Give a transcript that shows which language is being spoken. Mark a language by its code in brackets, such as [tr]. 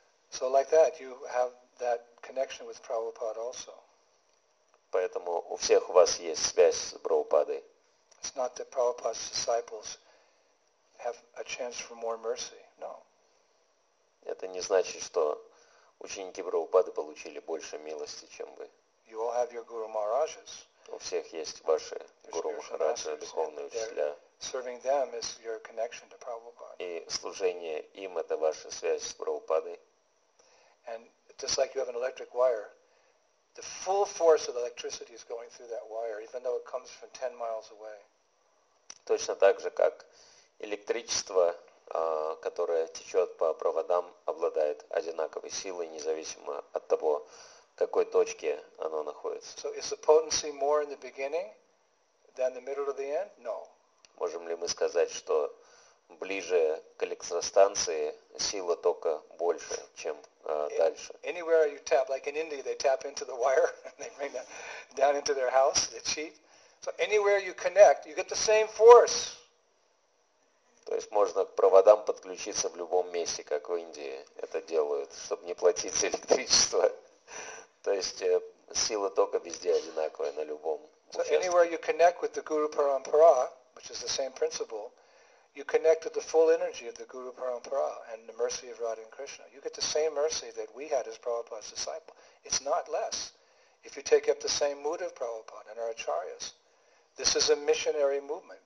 [en] So like that, you have that connection with Prabhupada also. [ru] Поэтому у всех у вас есть связь с Прабхупадой. [en] It's not that Prabhupada's disciples have a chance for more mercy. No. [ru] Это не значит, что ученики Прабхупады получили больше милости, чем вы. [en] You all have your Guru Maharajas. [ru] У всех есть ваши Гуру Махараджи, духовные учителя. [en] Serving them is your connection to Prabhupada. [ru] И служение им — это ваша связь с Прабхупадой. [en] And just like you have an electric wire, the full force of electricity is going through that wire, even though it comes from 10 miles away. [ru] Точно так же, как электричество, которое течет по проводам, обладает одинаковой силой, независимо от того, в какой точке оно находится. [en] So is the potency more in the beginning than the middle or the end? No. [ru] Можем ли мы сказать, что ближе к электростанции сила тока больше, чем дальше? [en] Anywhere you tap, like in India, they tap into the wire and they bring that down into their house, they cheat. So anywhere you connect, you get the same force. [ru] То есть можно к проводам подключиться в любом месте, как в Индии это делают, чтобы не платить за электричество. То есть сила тока везде одинаковая на любом участке. [en] So anywhere you connect with the Guru Parampara, which is the same principle, you connect with the full energy of the Guru Parampara and the mercy of Radha and Krishna. You get the same mercy that we had as Prabhupada's disciple. It's not less. If you take up the same mood of Prabhupada and our acharyas, this is a missionary movement.